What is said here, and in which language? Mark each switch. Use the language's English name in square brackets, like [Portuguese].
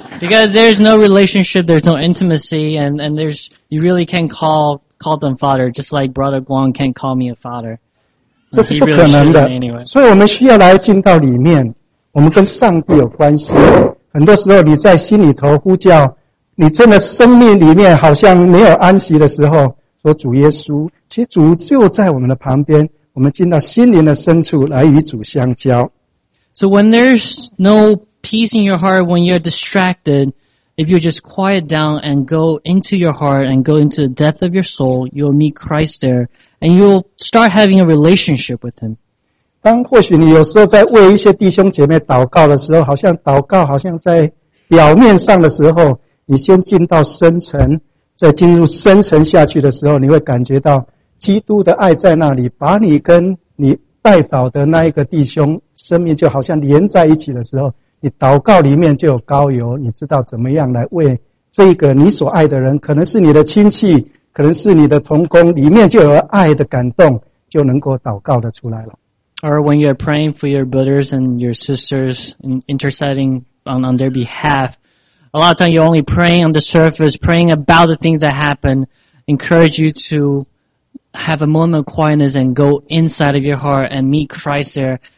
[English] Because there's no relationship, there's no intimacy, and there's you really can't call them father, just like Brother Guang can't call me a father. [Chinese] 这是不可能的。所以我们需要来进到里面，我们跟上帝有关系。很多时候你在心里头呼叫，你真的生命里面好像没有安息的时候，说主耶稣，其实主就在我们的旁边。我们进到心灵的深处来与主相交。 [English] So when there's no peace in your heart, when you're distracted, if you just quiet down and go into your heart and go into the depth of your soul, you'll meet Christ there and you'll start having a relationship with Him. [Chinese] 当或许你有时候在为一些弟兄姐妹祷告的时候，好像祷告好像在表面上的时候，你先进到深层，再进入深层下去的时候，你会感觉到基督的爱在那里，把你跟你代祷的那一个弟兄生命就好像连在一起的时候，你祷告里面就有膏油，你知道怎么样来为这个你所爱的人，可能是你的亲戚，可能是你的同工，里面就有爱的感动，就能够祷告的出来了。 [English] Or when you're praying for your brothers and your sisters, interceding on their behalf, a lot of times you're only praying on the surface, praying about the things that happen. Encourage you to have a moment of quietness and go inside of your heart and meet Christ there.